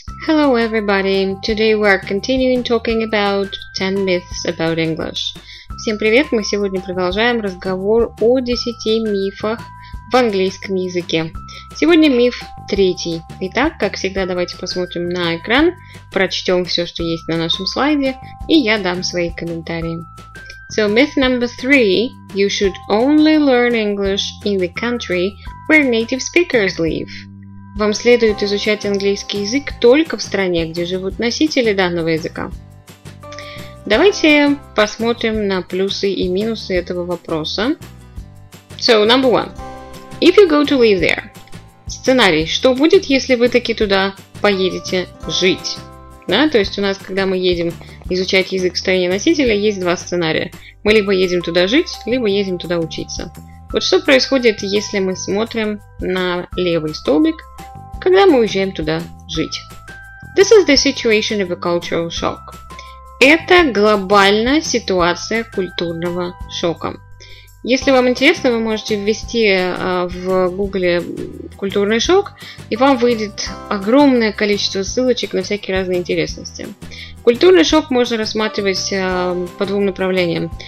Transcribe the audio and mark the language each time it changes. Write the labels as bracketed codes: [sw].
[en] Hello everybody, today we are continuing talking about 10 myths about English. [ru] Всем привет, мы сегодня продолжаем разговор о 10 мифах в английском языке. Сегодня миф третий. Итак, как всегда, давайте посмотрим на экран, прочтем все, что есть на нашем слайде, и я дам свои комментарии. [en] So myth number three, you should only learn English in the country where native speakers live. [ru] Вам следует изучать английский язык только в стране, где живут носители данного языка. Давайте посмотрим на плюсы и минусы этого вопроса. [en] So, number one. If you go to live there. Сценарий. [ru] Что будет, если вы таки туда поедете жить? Да? То есть у нас, когда мы едем изучать язык в стране носителя, есть два сценария. Мы либо едем туда жить, либо едем туда учиться. Вот что происходит, если мы смотрим на левый столбик, когда мы уезжаем туда жить. [en] This is the situation of a cultural shock. [ru] Это глобальная ситуация культурного шока. Если вам интересно, вы можете ввести в Google культурный шок, и вам выйдет огромное количество ссылочек на всякие разные интересности. Культурный шок можно рассматривать по двум направлениям.